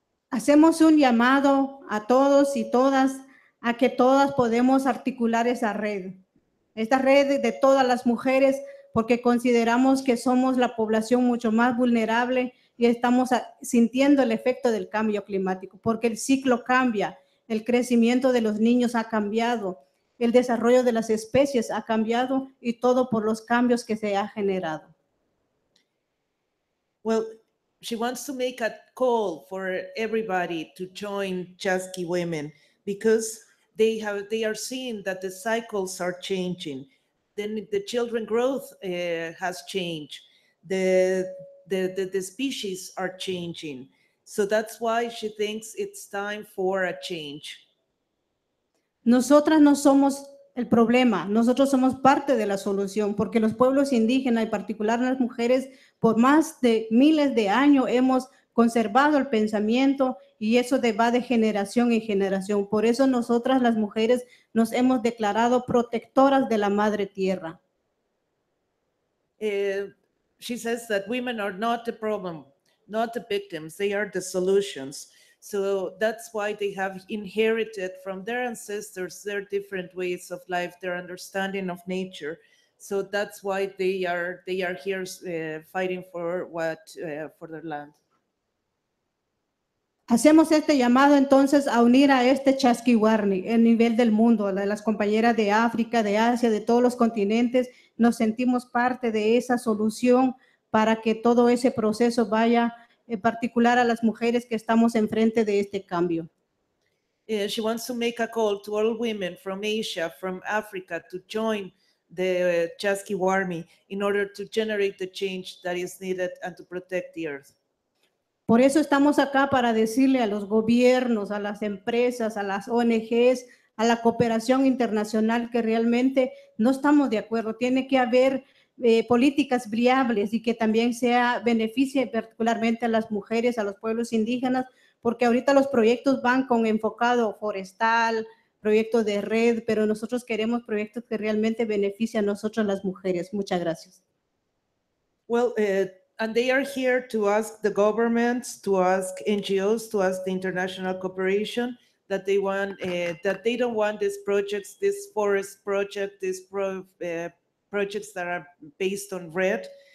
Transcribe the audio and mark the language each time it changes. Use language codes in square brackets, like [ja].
[es] Hacemos un llamado a todos y todas a que todas podemos articular esta red de todas las mujeres, porque consideramos que somos la población mucho más vulnerable y estamos sintiendo el efecto del cambio climático, porque el ciclo cambia, el crecimiento de los niños ha cambiado, el desarrollo de las especies ha cambiado y todo por los cambios que se ha generado. [en] Well, she wants to make a call for everybody to join Chaski Women because they are seeing that the cycles are changing. Then the children growth has changed. The species are changing. So that's why she thinks it's time for a change. [es] Nosotras no somos el problema. Nosotros somos parte de la solución, porque los pueblos indígenas, y particularmente las mujeres, por más de miles de años hemos conservado el pensamiento y eso va de generación en generación. Por eso nosotras las mujeres nos hemos declarado protectoras de la madre tierra. [en] She says that women are not the problem, not the victims, they are the solutions. So that's why they have inherited from their ancestors their different ways of life, their understanding of nature. So that's why they are here fighting for what for their land. [es] Hacemos este llamado entonces a unir a este Chaski Warni en nivel del mundo, a las compañeras de África, de Asia, de todos los continentes. Nos sentimos parte de esa solución para que todo ese proceso vaya, en particular a las mujeres que estamos enfrente de este cambio. [en] She wants to make a call to all women from Asia, from Africa, to join the Chaski Warni in order to generate the change that is needed and to protect the earth. [es] Por eso estamos acá, para decirle a los gobiernos, a las empresas, a las ONGs, a la cooperación internacional, que realmente no estamos de acuerdo. Tiene que haber políticas viables y que también sea beneficie particularmente a las mujeres, a los pueblos indígenas, porque ahorita los proyectos van con enfocado forestal, proyectos de red, pero nosotros queremos proyectos que realmente beneficien a nosotros las mujeres. Muchas gracias. [en] Well, and they are here to ask the governments, to ask NGOs, to ask the international cooperation that they want, that they don't want these projects, this forest project, these projects that are based on red.